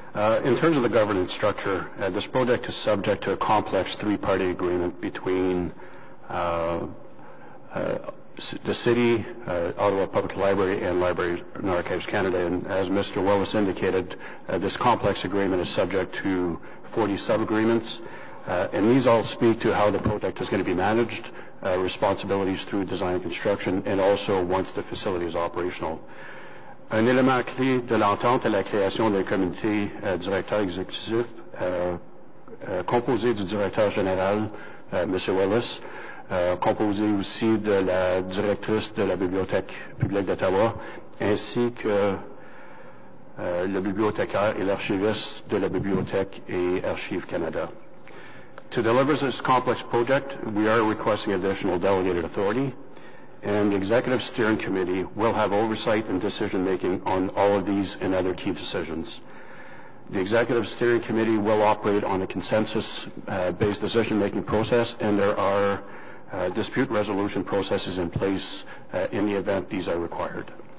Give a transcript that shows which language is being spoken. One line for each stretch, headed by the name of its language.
English: In terms of the governance structure, this project is subject to a complex three-party agreement between the city, Ottawa Public Library, and Library and Archives Canada. And as Mr. Willis indicated, this complex agreement is subject to 40 sub-agreements. And these all speak to how the project is going to be managed, responsibilities through design and construction, and also once the facility is operational.
French: Un élément clé de l'entente est la création d'un comité directeur exécutif composé du directeur général, Monsieur Willis, composé aussi de la directrice de la Bibliothèque publique d'Ottawa, ainsi que le bibliothécaire et l'archiviste de la Bibliothèque et Archives Canada.
English: To deliver this complex project, we are requesting additional delegated authority, and the Executive Steering Committee will have oversight and decision-making on all of these and other key decisions. The Executive Steering Committee will operate on a consensus-based decision-making process, and there are dispute resolution processes in place in the event these are required.